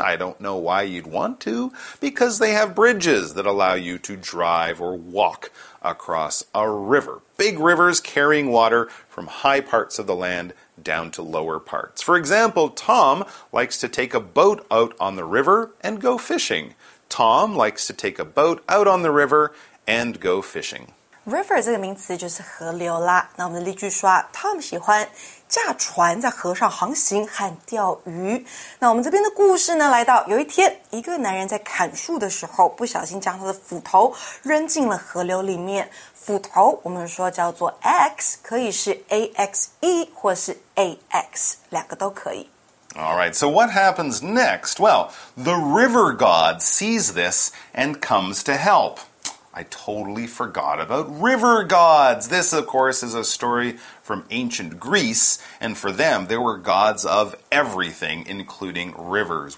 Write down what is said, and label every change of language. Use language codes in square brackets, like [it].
[en] I don't know why you'd want to, because they have bridges that allow you to drive or walk across a river. Big rivers carrying water from high parts of the land down to lower parts. For example, Tom likes to take a boat out on the river and go fishing. Tom likes to take a boat out on the river and go fishing. [zh] River 这个名词就是河流啦。那我们的例句说 ,Tom 喜欢驾船在河上航行和钓鱼。那我们这边的故事呢来到有一天一个男人在砍树的时候不小心将他的斧头扔进了河流里面。斧头我们说叫做 X, 可以是 AXE 或是 AX, 两个都可以。 [en] Alright, so what happens next? Well, the river god sees this and comes to help. I totally forgot about river gods. This, of course, is a story from ancient Greece, and for them, there were gods of everything, including rivers.